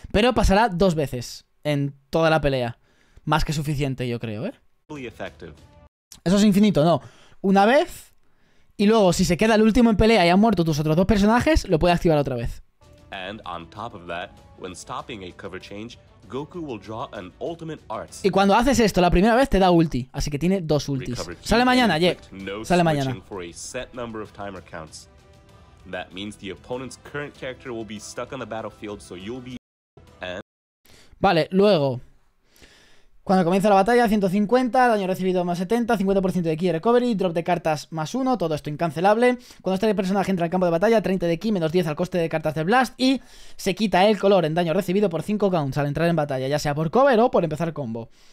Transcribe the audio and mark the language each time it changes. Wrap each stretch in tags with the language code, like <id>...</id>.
<es>Pero pasará dos veces en toda la pelea. Más que suficiente, yo creo, ¿eh? Eso es infinito, ¿no? Una vez, y luego si se queda el último en pelea y han muerto tus otros dos personajes, lo puede activar otra vez.</es> <en>And on top of that, when stopping a cover change, Goku will draw an ultimate arts.</en> <es>Y cuando haces esto la primera vez te da ulti, así que tiene dos ultis. Sale mañana, Jack. Sale mañana.</es> <en>For a set number of timer counts. That means the opponent's current character will be stuck on the battlefield, so you'll be.</en> <es>Vale, luego. Cuando comienza la batalla, 150, daño recibido más 70, 50% de ki recovery, drop de cartas más 1, todo esto incancelable. Cuando este personaje entra al campo de batalla, 30 de ki menos 10 al coste de cartas de blast y se quita el color en daño recibido por 5 counts al entrar en batalla, ya sea por cover o por empezar combo.</es>